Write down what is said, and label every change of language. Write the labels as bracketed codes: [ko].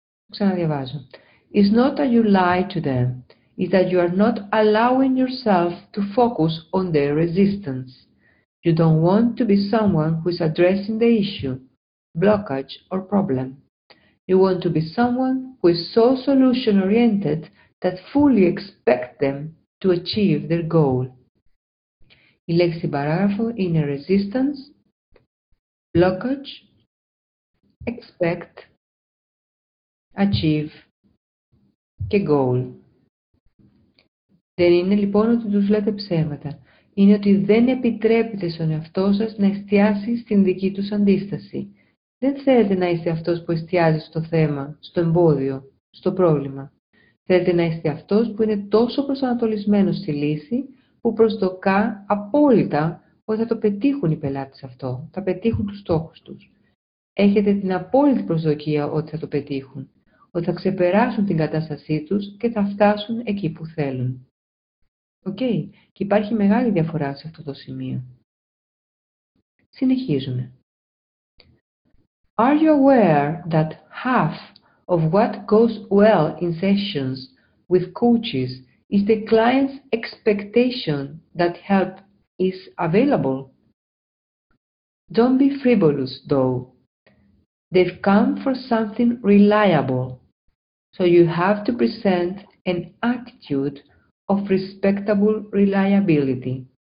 [el] Ξαναδιαβάζω. [en] It's not that you lie to them. It's that you are not allowing yourself to focus on their resistance. You don't want to be someone who is addressing the issue, blockage, or problem. You want to be someone who is so solution-oriented that fully expects them to achieve their goal. [el] Η λέξη παράγραφο είναι resistance, blockage, expect, achieve και goal. Δεν είναι λοιπόν ότι τους λέτε ψέματα. Είναι ότι δεν επιτρέπετε στον εαυτό σας να εστιάσει στην δική τους αντίσταση. Δεν θέλετε να είστε αυτός που εστιάζει στο θέμα, στο εμπόδιο, στο πρόβλημα. Θέλετε να είστε αυτός που είναι τόσο προσανατολισμένος στη λύση, που προσδοκά απόλυτα ότι θα το πετύχουν οι πελάτες αυτό, θα πετύχουν τους στόχους τους. Έχετε την απόλυτη προσδοκία ότι θα το πετύχουν, ότι θα ξεπεράσουν την κατάστασή τους και θα φτάσουν εκεί που θέλουν. Okay. Και υπάρχει μεγάλη διαφορά σε αυτό το σημείο. Συνεχίζουμε. [en] Are you aware that half of what goes well in sessions with coaches is the client's expectation that help is available? Don't be frivolous, though. They've come for something reliable, so you have to present an attitude of respectable reliability.